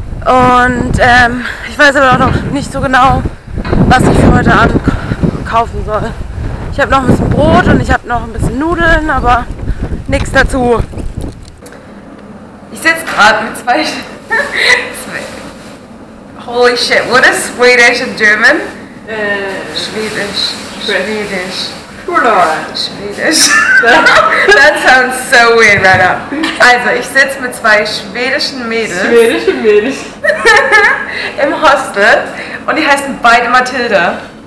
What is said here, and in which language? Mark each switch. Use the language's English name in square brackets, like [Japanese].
[German] Und ich weiß aber auch noch nicht so genau, was ich für heute Abend kaufen soll. Ich habe noch ein bisschen Brot und ich habe noch ein bisschen Nudeln, aber nichts dazu. Ich sitze gerade mit zwei... [English] Holy shit, what is Swedish and German? [German] Schwedisch. Schwedisch. [English] That sounds so weird right now. [German] Also, ich sitze mit zwei schwedischen Mädels. Schwedische Mädels. Im Hostel. Und die heißen beide Mathilda.